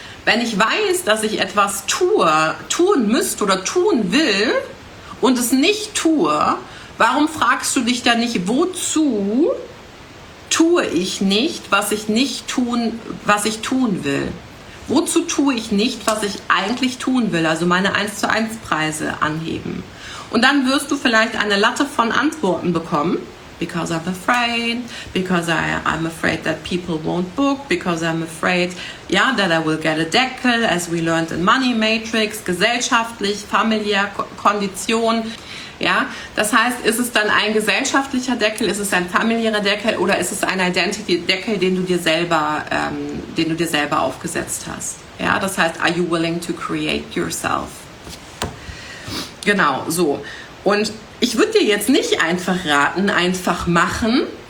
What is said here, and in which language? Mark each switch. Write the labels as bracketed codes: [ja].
[de] Wenn ich weiß, dass ich etwas tun müsste oder tun will und es nicht tue, warum fragst du dich dann nicht, wozu tue ich nicht, was ich tun will? Wozu tue ich nicht, was ich eigentlich tun will, also meine 1:1 Preise anheben? Und dann wirst du vielleicht eine Latte von Antworten bekommen. [en] Because I'm afraid, because I'm afraid that people won't book, because I'm afraid, yeah, that I will get a Deckel, as we learned in Money Matrix, [de] gesellschaftlich, familiär, Kondition. Ja, das heißt, ist es dann ein gesellschaftlicher Deckel, ist es ein familiärer Deckel oder ist es ein Identity-Deckel, den du dir selber aufgesetzt hast? Ja, das heißt, [en] are you willing to create yourself? [de] Genau, so. Und ich würde dir jetzt nicht einfach raten, einfach machen.